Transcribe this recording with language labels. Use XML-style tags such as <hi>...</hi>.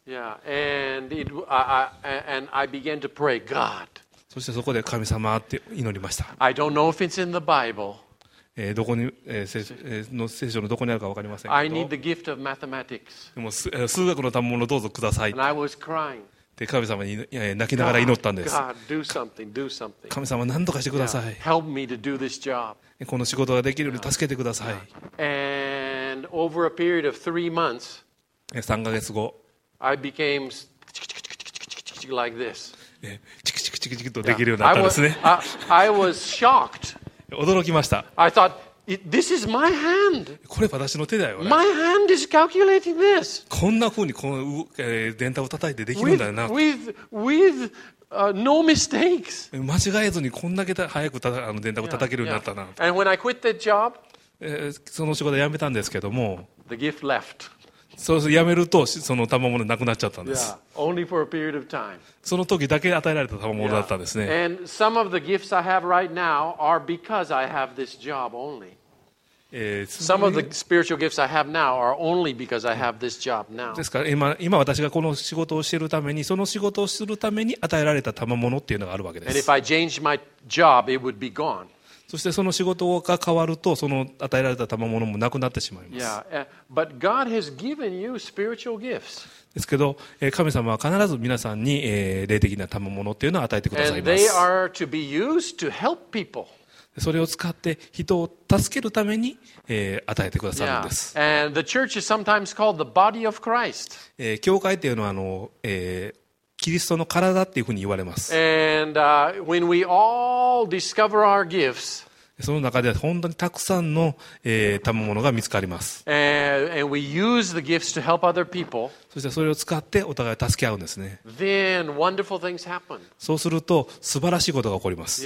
<en>Yeah, and I began to pray, God.</en> <ja>そしてそこで神様って祈りました。</ja> <en>I don't know if it's in the Bible.</en> <ja>どこに聖書のどこにあるか分かりませんけど。</ja> <en>I need the gift of mathematics.</en> <ja>でも数学の賜物をどうぞください。</ja> <en>And I was crying.</en> <ja>で神様に泣きながら祈ったんです。</ja> <en>God, do something.</en> <ja>神様何とかしてください。</ja> <en>yeah, help me to do this job.</en> <ja>この仕事ができるように助けてください。</ja> <en>yeah. And over a period of 3 months,</en> <ja>3ヶ月後</ja> <en>I became like this.</en> <ja>チクチクチクチクとできるようになったんですね。</ja> <en>I was shocked.</en> <ja>驚きました。</ja> <en>I thought, this is my hand.</en> <ja>これ私の手だよ。</ja> <en>My hand is calculating this.</en> <ja>こんな風にこの電卓を叩いてできるんだよな。</ja> <en>With no mistakes.</en> <ja>間違えずにこんだけ早く電卓を叩けるようになったな。</ja> <en>And when I quit the job,</en> <ja>その仕事辞めたんですけども、</ja> <en>the gift left.</en> <ja>そう辞めるとその賜物なくなっちゃったんです。</ja> <en>Yeah, only for a period of time.</en> <ja>その時だけ与えられた賜物だったんですね。</ja> <en>Yeah. And some of the gifts I have right now are because I have this job only. Some of the spiritual gifts I have now are only because I have this job now.</en> <ja>ですから今私がこの仕事をしているためにその仕事をするために与えられた賜物っていうのがあるわけです。</ja> <en>And if I changed my job, it would be gone.</en> <ja>そしてその仕事が変わるとその与えられた賜物もなくなってしまいます。</ja> <en>Yeah, but God has given you spiritual gifts.</en> <ja>ですけど神様は必ず皆さんに霊的な賜物っていうのを与えてくださいます。</ja> <en>And they are to be used to help people.</en> <ja>それを使って人を助けるために、与えてくださるんです。</ja> <en>Yeah. And the church is sometimes called the body of Christ.</en> <ja>教会というのはキリストの体っていうふうに言われます。</ja> <en>And, when we all discover our gifts,</en> <ja>その中では本当にたくさんの、賜物が見つかります。</ja> <en>And we use the gifts to help other people.</en> <ja>そしてそれを使ってお互い助け合うんですね。</ja> <en>Then wonderful things happen.</en> <ja>そうすると素晴らしいことが起こります。</ja>